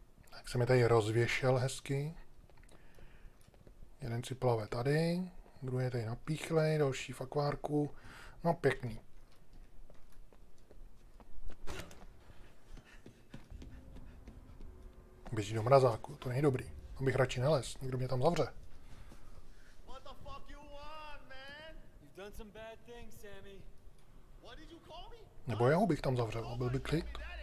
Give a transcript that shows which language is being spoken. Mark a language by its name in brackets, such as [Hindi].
[Czech] Tak se mi tady rozvěšel hezky. Jeden si plave tady. Druhý tady napíchlej, další v akvárku. No pěkný. Běží do mrazáku, to není dobrý. Tam bych radši nelez, někdo mě tam zavře. [English] What the fuck you want, man? You've done some bad things, Sammy. What did you call me? [Czech] Nebo jeho bych tam zavřel, a byl by klid.